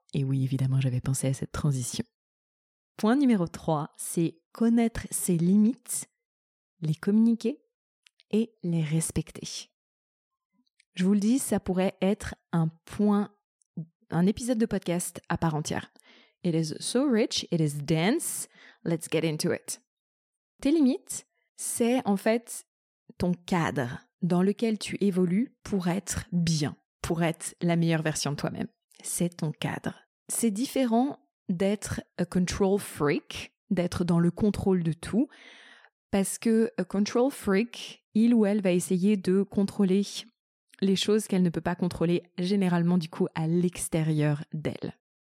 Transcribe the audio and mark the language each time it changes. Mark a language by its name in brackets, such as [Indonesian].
[French] Et oui, évidemment, j'avais pensé à cette transition. Point numéro 3, c'est connaître ses limites, les communiquer et les respecter. Je vous le dis, ça pourrait être un épisode de podcast à part entière. [English] It is so rich, it is dense, let's get into it. [French] Tes limites, c'est en fait ton cadre dans lequel tu évolues pour être bien, pour être la meilleure version de toi-même. C'est ton cadre. C'est différent d'être [English] a control freak, [French] d'être dans le contrôle de tout, parce que a control freak, il ou elle va essayer de contrôler les choses qu'elle ne peut pas contrôler, généralement du coup à l'extérieur d'elle.